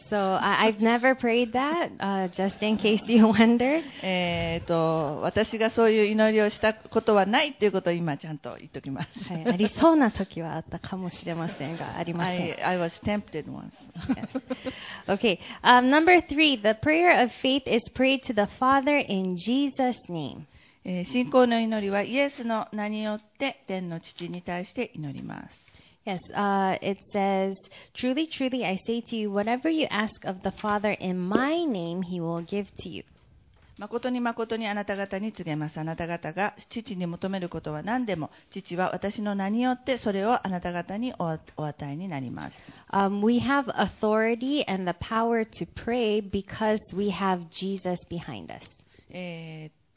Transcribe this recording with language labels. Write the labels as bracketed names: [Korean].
[English] Yes, so I've never prayed that, just in case you wonder. [Japanese] 私がそういう祈りをしたことはないっていうことを今ちゃんと言っておきます。はい、ありそうな時はあったかもしれませんが、ありません。 [English] I was tempted once. Yes. Okay, number three, the prayer of faith is prayed to the Father in Jesus' name. [Japanese] 信仰の祈りはイエスの名によって天の父に対して祈ります。 [English] Yes, it says, truly, truly, I say to you, whatever you ask of the Father in my name, he will give to you. [Japanese] 誠に誠にあなた方に告げます。あなた方が父に求めることは何でも、父は私の名によってそれをあなた方にお与えになります。 [English] We have authority and the power to pray because we have Jesus behind us.